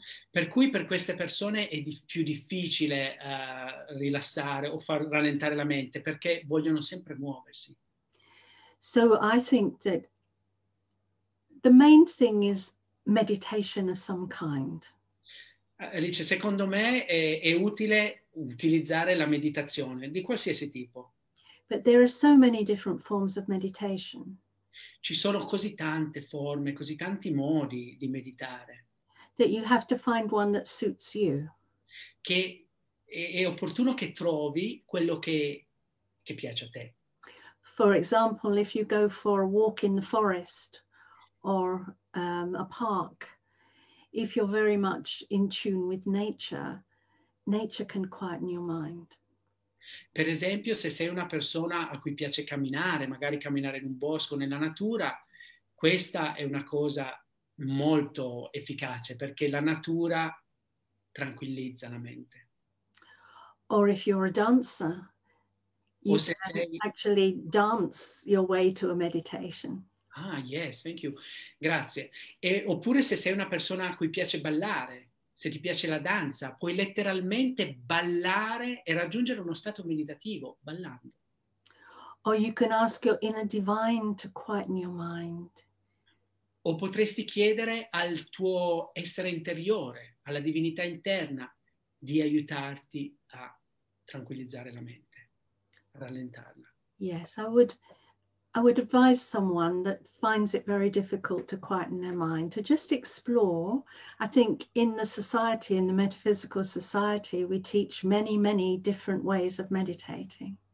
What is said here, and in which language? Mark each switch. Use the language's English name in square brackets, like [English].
[Italian] Per cui per queste persone è più difficile rilassare o far rallentare la mente perché vogliono sempre muoversi. [English] So I think that the main thing is meditation of some kind. [Italian] Alice, secondo me è utile utilizzare la meditazione di qualsiasi tipo. [English] But there are so many different forms of meditation. [Italian] Ci sono così tante forme, così tanti modi di meditare. [English] That you have to find one that suits you. [Italian] Che è opportuno che trovi quello che piace a te. [English] For example, if you go for a walk in the forest or a park, if you're very much in tune with nature, nature can quieten your mind. [Italian] Per esempio, se sei una persona a cui piace camminare, magari camminare in un bosco, nella natura, questa è una cosa molto efficace perché la natura tranquillizza la mente. [English] Or if you're a dancer, you can actually dance your way to a meditation. Ah, yes, thank you. [Italian] Grazie. E, oppure se sei una persona a cui piace ballare, se ti piace la danza, puoi letteralmente ballare e raggiungere uno stato meditativo ballando. [English] Or you can ask your inner divine to quieten your mind. [Italian] O potresti chiedere al tuo essere interiore, alla divinità interna, di aiutarti a tranquillizzare la mente, a rallentarla. [English] Yes, I would advise someone that finds it very difficult to quieten their mind to just explore. I think in the society, in the metaphysical society, we teach many, many different ways of meditating.